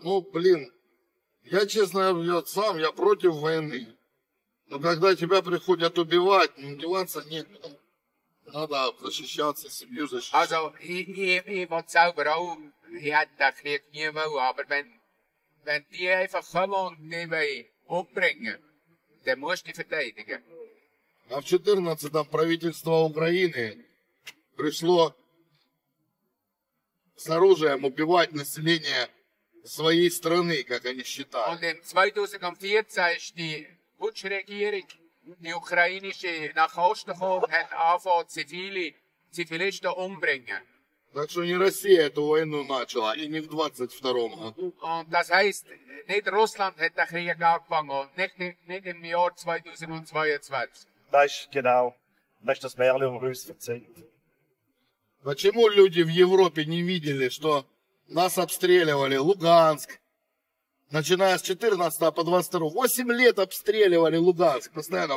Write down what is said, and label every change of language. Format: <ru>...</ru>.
<ru>Ну, блин, я честно, я сам, я против войны. Но когда тебя приходят убивать, ну, деваться нет. Надо защищаться, семью защищать.</ru> <de>Also, ich hätte den Krieg nie wollen, aber wenn die einfach kommen und nicht mehr umbringen, dann musst du verteidigen.</de> <ru>А в 14-м правительство Украины пришло с оружием убивать население своей страны, как они считают.</ru> <de>Und im 2014 ist die Putschregierung, die ukrainische, nach Osten gekommen, hat angefangen, Zivilisten umbringen.</de> <ru>Так что не Россия эту войну начала, и не в 22-м году.</ru> <de>Das heißt, nicht Russland hat den Krieg angefangen, nicht im Jahr 2022. Das ist genau. Das ist das Märchen, was uns erzählt.</de> <ru>Почему люди в Европе не видели, что нас обстреливали Луганск, начиная с 14 по 22. 8 лет обстреливали Луганск постоянно.</ru>